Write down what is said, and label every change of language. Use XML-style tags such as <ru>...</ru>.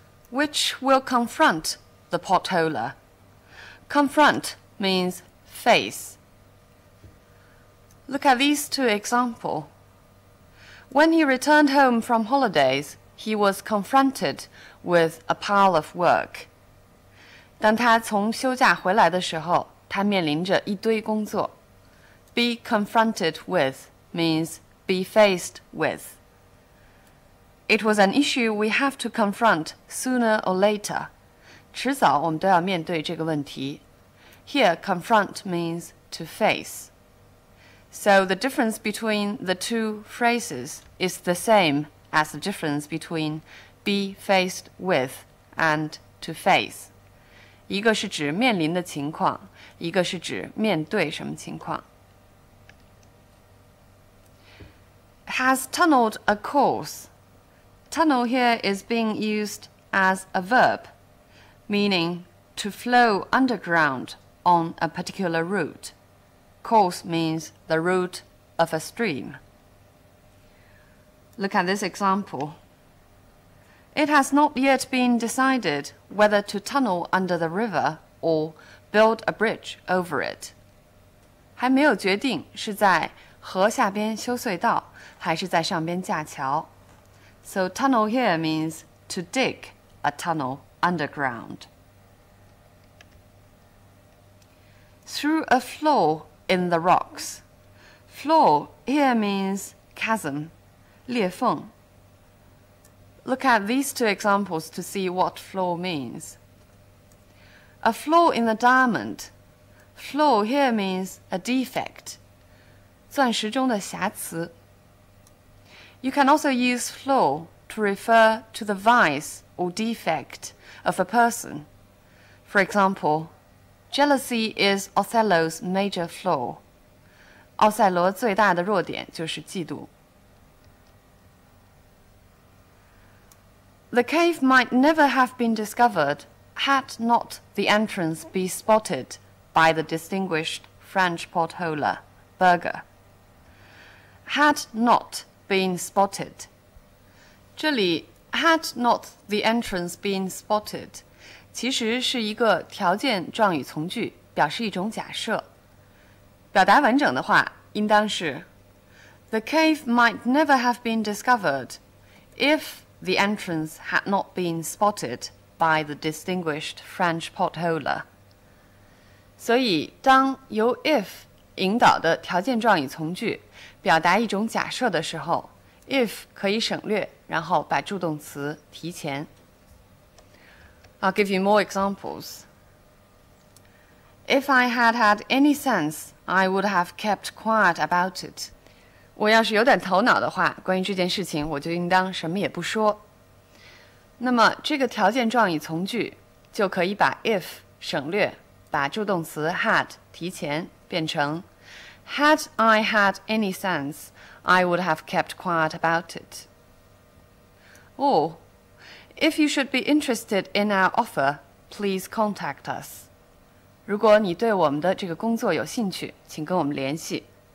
<en>Which will confront the potholer? Confront means face. Look at these two examples. When he returned home from holidays, he was confronted with a pile of work.</en> <zh>当他从休假回来的时候，他面临着一堆工作。</zh> <en>Be confronted with means be faced with. It was an issue we have to confront sooner or later.</en> <zh>迟早我们都要面对这个问题。</zh> <en>Here, confront means to face. So the difference between the two phrases is the same as the difference between be faced with and to face.</en> <zh>一个是指面临的情况，一个是指面对什么情况。</zh> <en>Has tunneled a course. Tunnel here is being used as a verb, meaning to flow underground on a particular route. Course means the route of a stream. Look at this example. It has not yet been decided whether to tunnel under the river or build a bridge over it.</en> <zh>还没有决定是在河下边修隧道还是在上边架桥。</zh> <en>So tunnel here means to dig a tunnel underground. Through a floor... In the rocks. Floor here means chasm,</en> <zh>裂缝.</zh> <en>Look at these two examples to see what floor means. A flaw in the diamond. Flaw here means a defect.</en> <zh>钻石中的瑕疵.</zh> <en>You can also use flaw to refer to the vice or defect of a person. For example,Jealousy is Othello's major flaw.</en> <zh>奥赛罗最大的弱点就是嫉妒。</zh> <en>The cave might never have been discovered had not the entrance be spotted by the distinguished French potholer, Berger. Had not been spotted. 这里 had not the entrance been spotted.</en> <zh>其实是一个条件状语从句，表示一种假设。表达完整的话，应当是</zh> <en>The cave might never have been discovered if the entrance had not been spotted by the distinguished French potholer.</en> <zh>所以，当由 if 引导的条件状语从句表达一种假设的时候 ，if 可以省略，然后把助动词提前。</zh> <en>I'll give you more examples. If I had had any sense, I would have kept quiet about it.</en> <zh>我要是有点头脑的话，关于这件事情，我就应当什么也不说。那么这个条件状语从句就可以把 if 省略，把助动词 had 提前，变成</zh> <en>Had I had any sense, I would have kept quiet about it. Or,If you should be interested in our offer, please contact us.</en> <zh>如果你对我们的这个工作有兴趣，请跟我们联系。</zh>